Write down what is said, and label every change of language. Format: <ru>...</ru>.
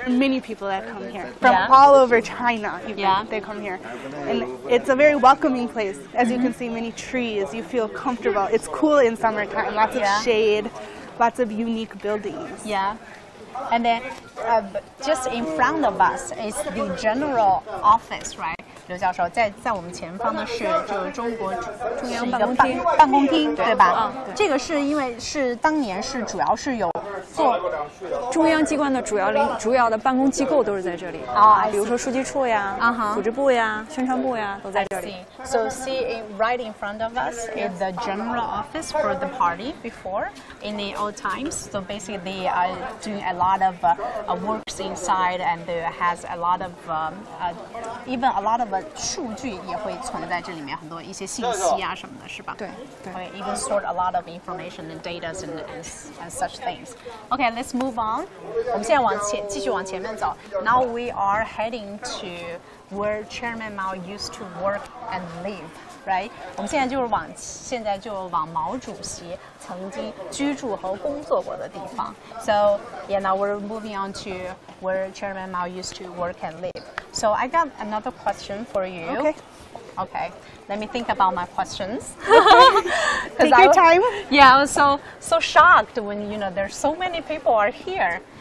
<en>Many people that come here from all over China, even, they come here. And it's a very welcoming place. As you can see, many trees. You feel comfortable. It's cool in summertime. Lots of shade, lots of unique buildings. Yeah. And then just in front of us is the general office, right?</en> <zh>刘教授，在我们前方的是就是中国中央办公厅，对吧？这个是因为是当年是主要是有错，中央机关的主要的办公机构都是在这里啊，比如说书记处呀、组织部呀、宣传部呀，都在这里。</zh> <en>So see right in front of us is the general office for the party before in the old times. So basically they are doing a lot of works inside and there has a lot of even a lot of</en> <zh>数据也会存在这里面，很多一些信息啊什么的，是吧？对。</zh> <en>Okay, even sort a lot of information and data and such things. Okay, let's move on.</en> <zh>我们现在继续往前面走。</zh> <en>Now we are heading to where Chairman Mao used to work and live, right?</en> <zh>我们现在就往毛主席曾经居住和工作过的地方。</zh> <en>So, yeah, now we're moving on to where Chairman Mao used to work and live. So I got another question for you. Okay. Let me think about my questions. Take your time. Yeah, I was so shocked when, you know, there's so many people are here.</en>